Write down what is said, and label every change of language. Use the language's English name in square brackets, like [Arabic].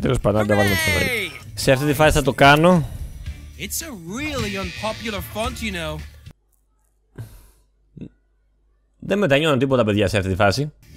[Greek] Τέλος πάντων, τα βάλουμε στο βρίσκο. Σε αυτή τη φάση θα το κάνω. [English] It's a really unpopular font, you know. [Greek] Δεν μετανιώνω τίποτα, παιδιά, σε αυτή τη φάση.